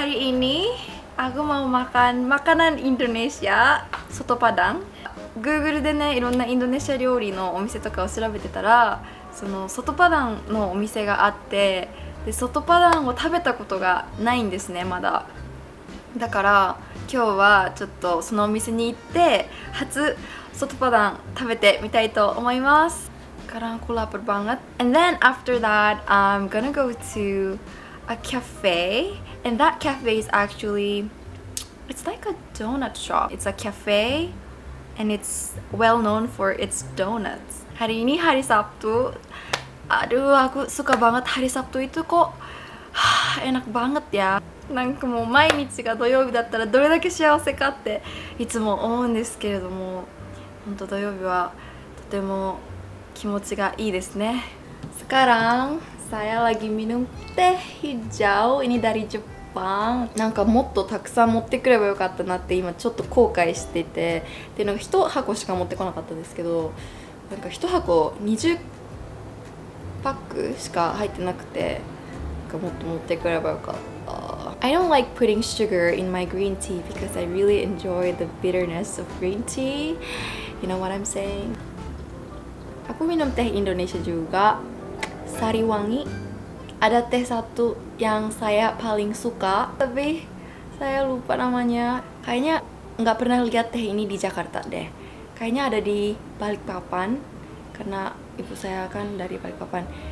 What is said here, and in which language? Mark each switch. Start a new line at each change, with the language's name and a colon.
Indonesian: Hari ini aku mau makan makanan Indonesia, soto padang.
Japanese: Google でね、いろんなインドネシア料理のお店とかを調べてたら、その外パダンのお店があって、で外パダンを食べたことがないんですね、まだ。だから今日はちょっとそのお店に行って、初外パダン食べてみたいと思います。からコラボ番が。
English: And then after that, I'm gonna go to a cafe, and that cafe is actually, it's like a donut shop. It's a cafe. And it's well known for its donuts.
Indonesian: Hari ini hari Sabtu. Aduh, aku suka banget hari Sabtu itu kok. Enak banget ya.
Japanese: なんかもう毎日が土曜日だったらどれだけ幸せかっていつも思うんですけれども、本当土曜日はとても気持ちがいいですね。
Indonesian: Sekarang saya lagi minum teh hijau ini dari Jepang.
Japanese: なんかもっとたくさん持ってくればよかったなって今ちょっと後悔してて、でなんか一箱しか持ってこなかったんですけど、なんか一箱20パックしか入ってなくて、なんかもっと持ってくればよかった。
English: I don't like putting sugar in my green tea because I really enjoy the bitterness of green tea. You know what I'm saying?
Indonesian: Aku minum teh Indonesia juga, sari wangi. Ada teh satu yang saya paling suka, tapi saya lupa namanya. Kayaknya nggak pernah lihat teh ini di Jakarta deh. Kayaknya ada di Balikpapan, karena ibu saya kan dari Balikpapan.